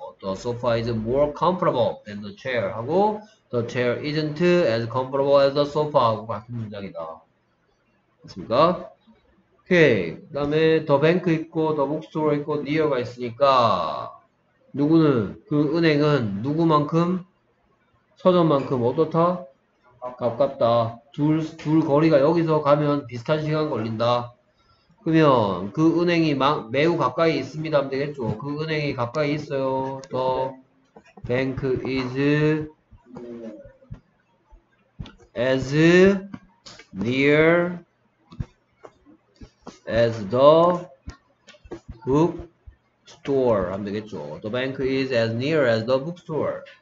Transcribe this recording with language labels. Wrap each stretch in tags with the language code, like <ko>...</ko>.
<en>The sofa is more comfortable than the chair</en> <ko>하고</ko> <en>the chair isn't as comfortable as the sofa 하고 같은 문장이다.</en> <ko>맞습니까? 오케이. 그 다음에 더 뱅크 있고 더 북스토어 있고 니어가 있으니까 누구는 그 은행은 누구만큼 서점만큼 어떻다? 가깝다. 둘 거리가 여기서 가면 비슷한 시간 걸린다. 그러면 그 은행이 매우 가까이 있습니다 하면 되겠죠. 그 은행이 가까이 있어요.</ko> <en>The bank is as near as the book store</en> <ko>하면 되겠죠.</ko> <en>The bank is as near as the book store.</en>